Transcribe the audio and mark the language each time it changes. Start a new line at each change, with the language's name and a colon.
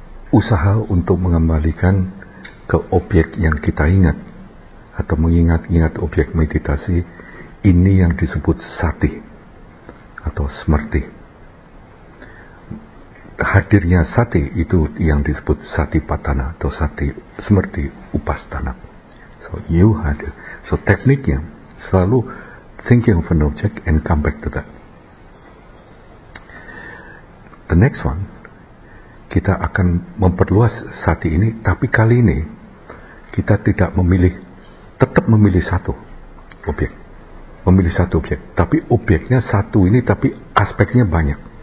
Indonesian: Usaha untuk mengembalikan ke objek yang kita ingat atau mengingat-ingat objek meditasi, ini yang disebut sati atau smerti. Hadirnya sati itu yang disebut sati patana atau sati smerti upastana.
English: So you had it. So
Indonesian: tekniknya selalu
English: thinking of an object and come back to that. The next one,
Indonesian: kita akan memperluas sati ini, tapi kali ini kita tidak memilih, tetap memilih satu objek. Memilih satu objek, tapi objeknya satu ini, tapi aspeknya banyak.